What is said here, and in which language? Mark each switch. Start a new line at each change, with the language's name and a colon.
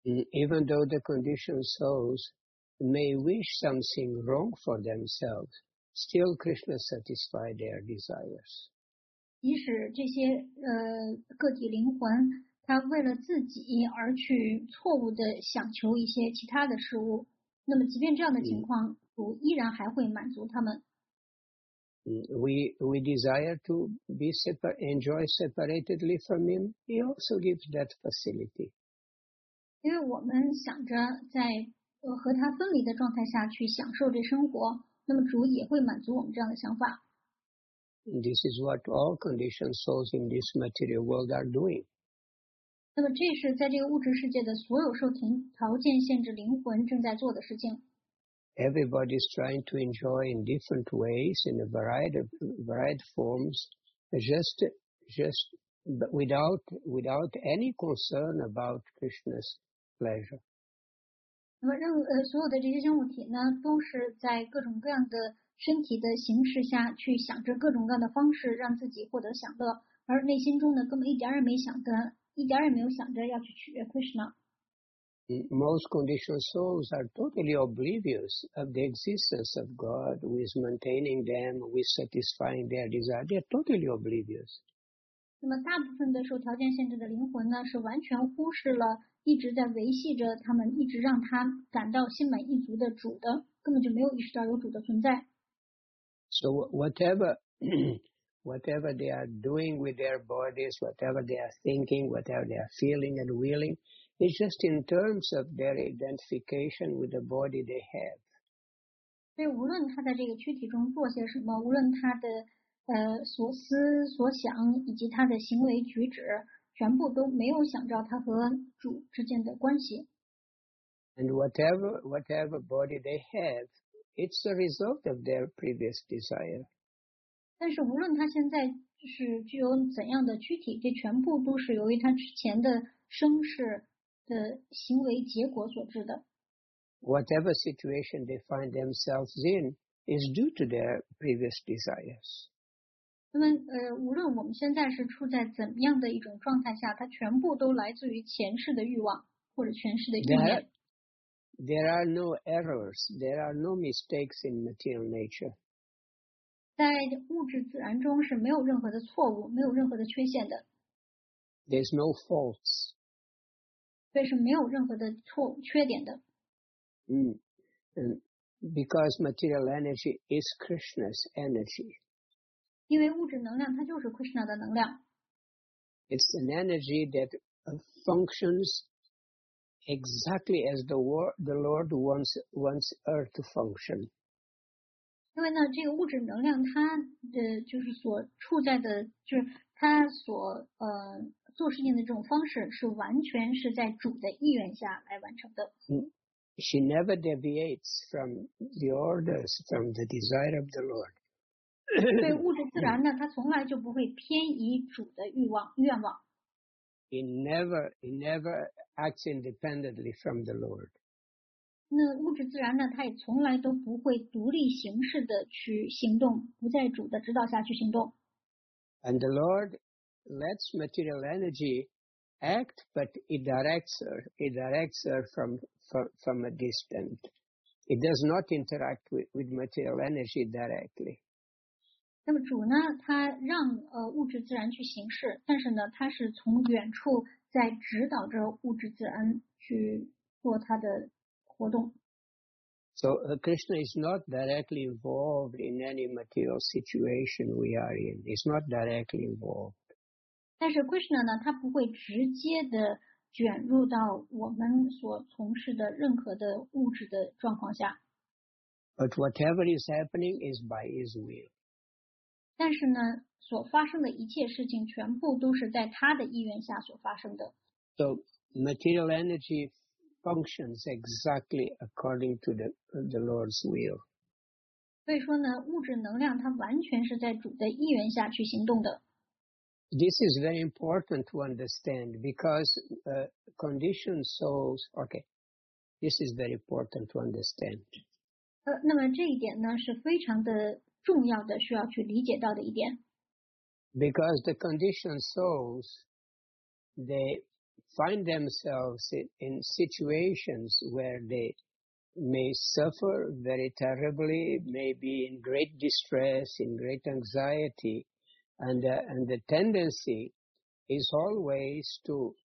English: Even though the conditioned souls may wish something wrong for themselves, still Krishna satisfies their desires.
Chinese: 即使这些个体灵魂，他为了自己而去错误的想求一些其他的事物，那么即便这样的情况，主依然还会满足他们。
English: We desire to be enjoy separately from him. He also gives that facility.
Chinese: 因为我们想着在和他分离的状态下去享受这生活，那么主也会满足我们这样的想法。
English: This is what all conditioned souls in this material world are doing.
Chinese: 那么这是在这个物质世界的所有受条件限制灵魂正在做的事情。
English: Everybody is trying to enjoy in different ways, in a variety of forms, just without any concern about Krishna's pleasure.
Chinese: 那么所有的这些生物体呢，都是在各种各样的身体的形式下去想着各种各样的方式让自己获得享乐，而内心中呢根本一点也没有想着要去取悦 Krishna。
English: Most conditioned souls are totally oblivious of the existence of God, with maintaining them, with satisfying their desire. They are totally oblivious.
Chinese: 那么大部分的受条件限制的灵魂呢，是完全忽视了一直在维系着他们，一直让他感到心满意足的主的，根本就没有意识到有主的存在。
English: So whatever they are doing with their bodies, whatever they are thinking, whatever they are feeling and willing, it's just in terms of their identification with the body they have.
Chinese: 所以无论他在这个躯体中做些什么，无论他的所思所想以及他的行为举止，全部都没有想到他和主之间的关系。
English: And whatever body they have,It's a result of their previous desire.
Chinese: 但是无论他现在是具有怎样的躯体，这全部都是由于他之前的生世的行为结果所致的。
English: Whatever situation they find themselves in is due to their previous desires.
Chinese: 那么无论我们现在是处在怎样的一种状态下，它全部都来自于前世的欲望或者前世的意念。
English: There are no errors. There are no mistakes in material nature.
Chinese: 在物质自然中是没有任何的错误，没有任何的缺陷的。
English: There's no faults.
Chinese: 所以是没有任何的缺点的。
English: Because material energy is Krishna's energy.
Chinese: 因为物质能量它就是 Krishna 的能量。
English: It's an energy that functions. Exactly as the Lord wants Earth to function.
Chinese: 因为呢，这个物质能量它的就是所处在的，就是它所做事情的这种方式，是完全是在主的意愿下来完成的。
English: She never deviates from the orders from the desire of the Lord.
Chinese: 对物质自然呢，它从来就不会偏移主的愿望。
English: He never acts independently from the Lord.
Chinese: 那物质自然呢，它也从来都不会独立形式的去行动，不在主的指导下去行动。
English: And the Lord lets material energy act, but it directs her from a distance. It does not interact with material energy directly.
Chinese: 那么主呢，他让物质自然去行事，但是呢，他是从远处在指导着物质自然去做他的活动。
English: So Krishna is not directly involved in any material situation we are in. He's not directly involved.
Chinese: 但是 Krishna 呢，他不会直接的卷入到我们所从事的任何的物质的状况下。
English: But whatever is happening is by His will.
Chinese: 但是呢，所发生的一切事情全部都是在他的意愿下所发生的。
English: So material energy functions exactly according to the Lord's will.
Chinese: 所以说呢，物质能量它完全是在主的意愿下去行动的。
English: This is very important to understand because conditioned souls. Okay, this is very important to understand.
Chinese: 那么这一点呢是非常的。重要的需要去理解到的一点。
English: Because the conditioned souls, they find themselves in situations where they may suffer very terribly, may be in great distress, in great anxiety, and the tendency is always to